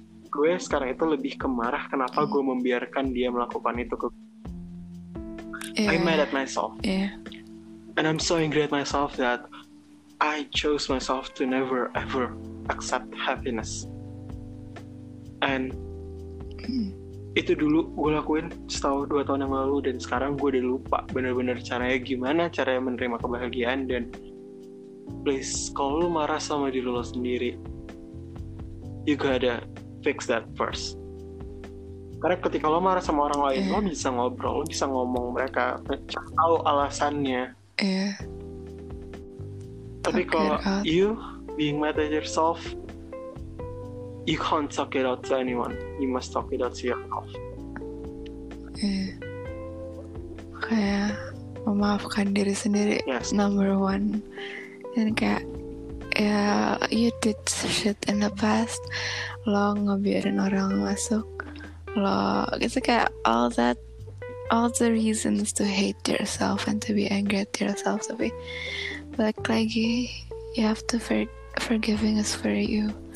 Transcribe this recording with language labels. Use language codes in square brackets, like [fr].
[id] Gue sekarang itu lebih kemarah kenapa gue membiarkan dia melakukan itu ke gue. [en] Yeah. I'm mad at myself. Yeah. And I'm so angry at myself that I chose myself to never ever accept happiness. [id] And itu dulu gue lakuin setahun dua tahun yang lalu, dan sekarang gue udah lupa benar-benar caranya gimana caranya menerima kebahagiaan. Dan please, kalau lu marah sama diri lu sendiri, [en] you gotta fix that first. [id] Karena ketika lu marah sama orang lain, lu bisa ngobrol, lu bisa ngomong mereka, tahu alasannya. Tapi kalau [en] you being mad at yourself, you can't talk it out to anyone. You must talk it out to yourself. [id] Kayak memaafkan diri sendiri, [en] yes. Number one. [id] Dan kayak, ya, [en] you did shit in the past. [id] Lo ngebiarin orang masuk. Lo, gitu kayak [en] all that, all the reasons to hate yourself and to be angry at yourself. [id] Tapi, balik lagi, [en] you have to forgiving us for you.